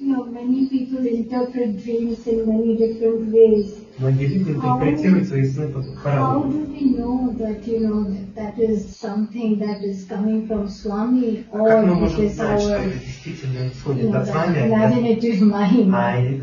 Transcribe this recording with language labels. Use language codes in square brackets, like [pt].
[en] Many people interpret dreams in many different ways. [ru] Многие люди интерпретируют свои сны по-разному. [en] How do we know that, you know, that is something that is coming from Swami or it is our imaginative mind?